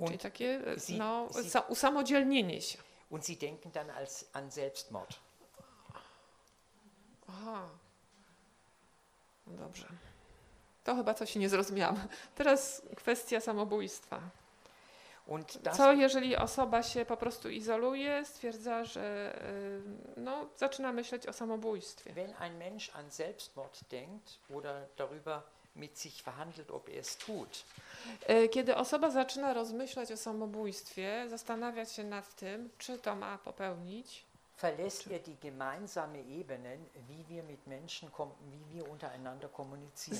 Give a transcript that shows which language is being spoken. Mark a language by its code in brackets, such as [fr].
[de] Und [pl] czyli takie usamodzielnienie się. [de] Und sie denken dann als an Selbstmord. [pl] Aha. Dobrze. To chyba coś nie zrozumiałam. Teraz kwestia samobójstwa. [de] Und das, [pl] co jeżeli osoba się po prostu izoluje, stwierdza, że no, zaczyna myśleć o samobójstwie. [de] Wenn ein Mensch an Selbstmord denkt oder darüber mit sich verhandelt, ob er es tut. [pl] Kiedy osoba zaczyna rozmyślać o samobójstwie, zastanawia się nad tym, czy to ma popełnić. [de] Verlässt er die gemeinsame Ebene, wie wir mit Menschen kommen, wie wir untereinander kommunizieren.